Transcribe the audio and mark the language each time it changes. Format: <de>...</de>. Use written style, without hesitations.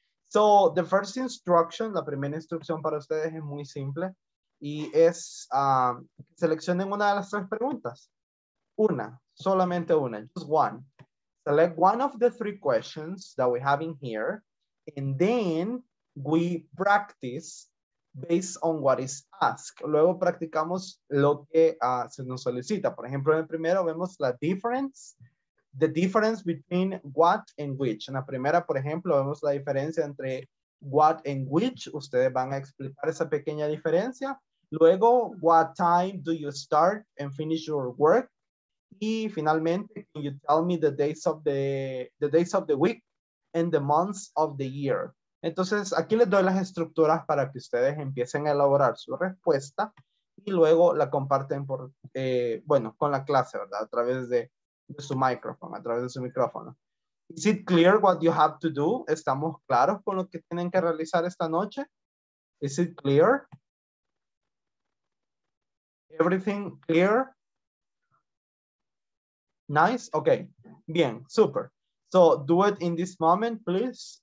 <en>So the first instruction,</en> <es>la primera instrucción para ustedes es muy simple y es seleccionen una de las tres preguntas. Una, solamente una,</es> <en>just one. Select one of the three questions that we have in here and then we practice based on what is asked.</en> <es>Luego practicamos lo que se nos solicita. Por ejemplo, en el primero vemos la difference.</es> <en>The difference between what and which.</en> <es>En la primera, por ejemplo, vemos la diferencia entre what and which. Ustedes van a explicar esa pequeña diferencia.</es> <en>Luego, what time do you start and finish your work?</en> <es>Y finalmente,</es> <en>can you tell me the days of the week and the months of the year?</en> <es>Entonces, aquí les doy las estructuras para que ustedes empiecen a elaborar su respuesta y luego la comparten por, bueno, con la clase, ¿verdad? A través de su micrófono, a través de su micrófono.</es> <en>Is it clear what you have to do?</en> <es>¿Estamos claros con lo que tienen que realizar esta noche?</es> <en>Is it clear? Everything clear? Nice? Okay. Bien, super. So do it in this moment, please.</en>